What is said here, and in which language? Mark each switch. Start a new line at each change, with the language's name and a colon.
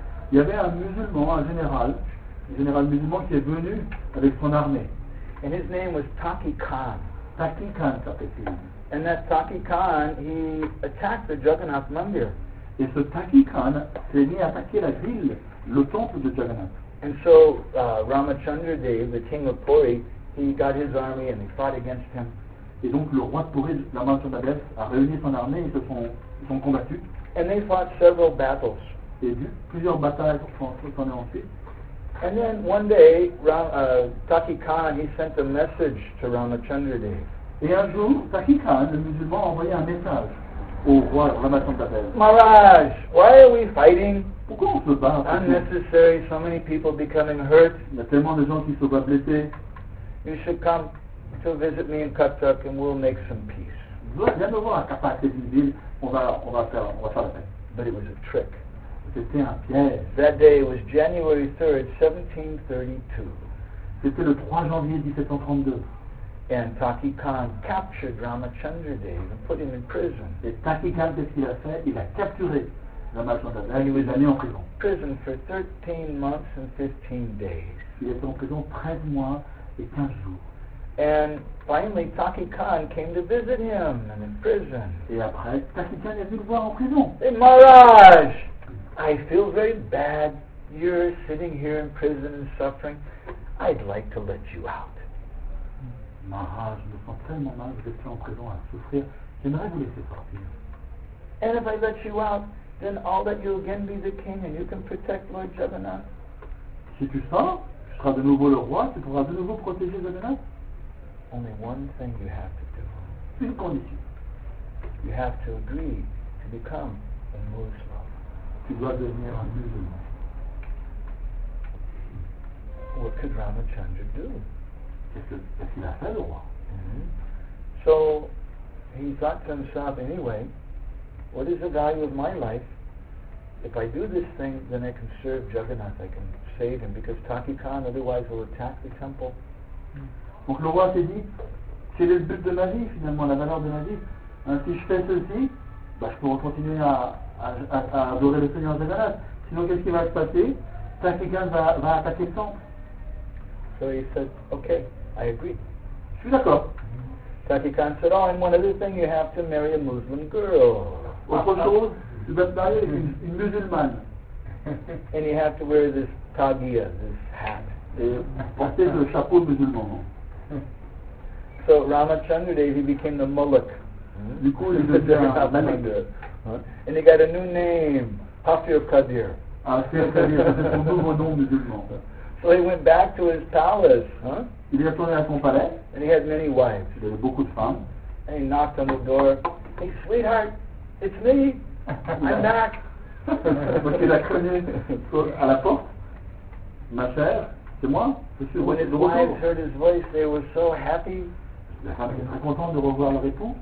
French: Il y avait un musulman, un général musulman qui est venu avec son armée.
English: And his name was Taki Khan.
French: Taki Khan, s'appelait-il.
English: And that Taki Khan, he attacked the Jagannath Mandir.
French: Et ce Taki Khan s'est mis à attaquer la ville, le temple de Jagannath.
English: And so Ramachandra Dev, the king of Puri, he got his army and he fought against him.
French: Et donc le roi de Puri, Ramachandra Dev, a réuni son armée et ils se sont combattus.
English: And they fought several battles.
French: Et plusieurs batailles s'en est ensuite.
English: And then one day, Taki Khan, he sent a message to Ramachandra Dev.
French: Et un jour, Taki Khan, le musulman, a envoyé un message au roi Ramachandra Dev.
English: Maharaj, why are we fighting?
French: Pourquoi on se bat?
English: Unnecessary, so many people becoming hurt.
French: Il y a tellement de gens qui se voient blessés.
English: You should come to visit me in Cuttack and we'll make some peace.
French: Viens me voir à Cuttack, c'est une ville, on va faire la paix.
English: But it was a trick.
French: C'était un piège.
English: That day was January 3rd, 1732.
French: C'était le 3 janvier 1732.
English: And Taki Khan captured Ramachandra Dev and put him in prison.
French: Et Taki Khan, qu'est-ce qu'il a fait? Il a capturé Ramachandra Dev. Il est allé en prison.
English: Prison for 13 months and 15 days.
French: Il était en prison 13 mois et 15 jours.
English: And finally, Taki Khan came to visit him and in prison.
French: Et après, Taki Khan est venu le voir en prison.
English: Et Maharaj! I feel very bad. You're sitting here in prison and suffering. I'd like to let you out.
French: Maharaj, je me sens tellement mal. Vous êtes en prison à souffrir. J'aimerais vous laisser partir.
English: And if I let you out, then I'll let you again be the king and you can protect Lord Jagannath.
French: Si tu sors, tu seras de nouveau le roi. Tu pourras de nouveau protéger Jagannath.
English: Only one thing you have to do.
French: Une condition.
English: You have to agree to become a Muslim.
French: Tu dois devenir un musulman.
English: What could Ramachandra do?
French: Qu'est-ce qu'il a fait, le roi?
English: So he thought to himself, anyway, what is the value of my life? If I do this thing, then I can serve Jagannath, I can save him, because Taki Khan otherwise will attack the temple.
French: Donc le roi s'est dit, c'est le but de ma vie, finalement, la valeur de ma vie. Si je fais ceci, je pourrai continuer à adorer le Seigneur Jagannath. Sinon, qu'est-ce qui va se passer? Taki Khan va attaquer le temple.
English: So he said, okay, I agree.
French: Je suis d'accord.
English: Taki Khan said, oh, and one other thing, you have to marry a Muslim girl.
French: Autre chose, tu vas te marier avec une musulmane.
English: And you have to wear this tagia, this hat.
French: Et porter le chapeau musulman.
English: So Ramachandra Dev, he became the Muluk.
French: Du coup, il devient un Muluk.
English: Huh? And he got a new name, Hafir Kadir.
French: Hafir Kadir, c'est son nouveau nom musulman.
English: So he went back to his palace.
French: Huh? Il est retourné à son palais.
English: And he had many wives.
French: Il avait beaucoup de femmes.
English: And he knocked on the door. Hey, sweetheart, it's me. I'm back.
French: Parce qu'il a cogné à la porte. Ma sœur, c'est moi. Monsieur,
English: when his wives heard his voice, they were so happy.
French: Les femmes étaient très contentes de revoir le répond.